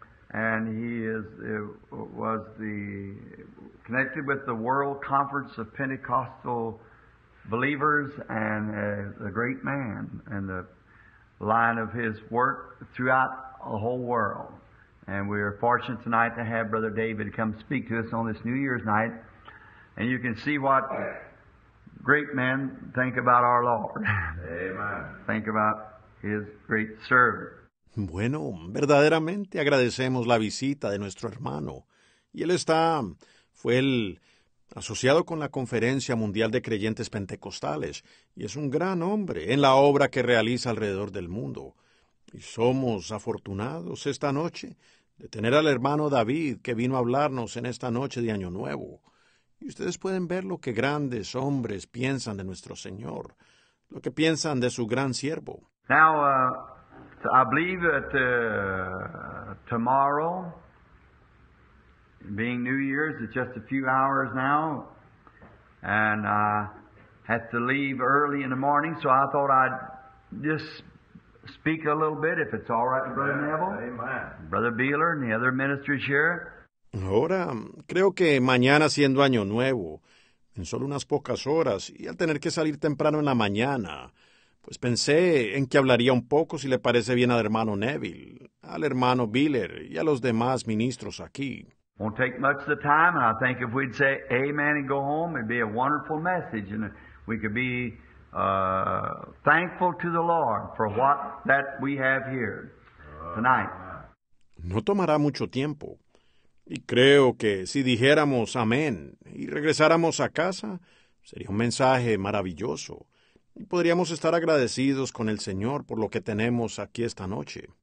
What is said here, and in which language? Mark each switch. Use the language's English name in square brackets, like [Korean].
[English] And he is was the connected with the World Conference of Pentecostal Believers, and a great man, and the line of his work throughout the whole world. And we are fortunate tonight to have Brother David come speak to us on this New Year's night. And you can see what great men think about our Lord. Amen. Think about his great servant. [Spanish] Bueno, verdaderamente agradecemos la visita de nuestro hermano. Y él está, fue el asociado con la Conferencia Mundial de Creyentes Pentecostales, y es un gran hombre en la obra que realiza alrededor del mundo. Y somos afortunados esta noche de tener al hermano David que vino a hablarnos en esta noche de Año Nuevo. Y ustedes pueden ver lo que grandes hombres piensan de nuestro Señor, lo que piensan de su gran siervo. [English] Now, I believe that tomorrow, being New Year's, it's just a few hours now, and I have to leave early in the morning, so I thought I'd just speak a little bit, if it's all right with Brother Neville, Amen. Brother Beeler, and the other ministers here. [Spanish] Ahora, creo que mañana siendo Año Nuevo, en solo unas pocas horas, y al tener que salir temprano en la mañana, pues pensé en que hablaría un poco, si le parece bien al hermano Neville, al hermano Beeler y a los demás ministros aquí. [English] Won't take much of the time, and I think if we'd say amen and go home, it'd be a wonderful message, and we could be thankful to the Lord for what that we have here tonight. [Spanish] No tomará mucho tiempo, y creo que si dijéramos amén y regresáramos a casa, sería un mensaje maravilloso, y podríamos estar agradecidos con el Señor por lo que tenemos aquí esta noche.